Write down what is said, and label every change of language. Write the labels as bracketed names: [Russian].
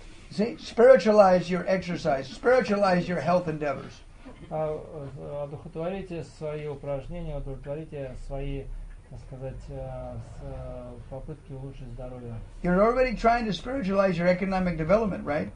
[English] See, spiritualize your exercise, spiritualize your health endeavors. [Russian] Одухотворите свои упражнения, одухотворите свои, так сказать, попытки улучшить здоровье. [English] You're already trying to spiritualize your economic development, right?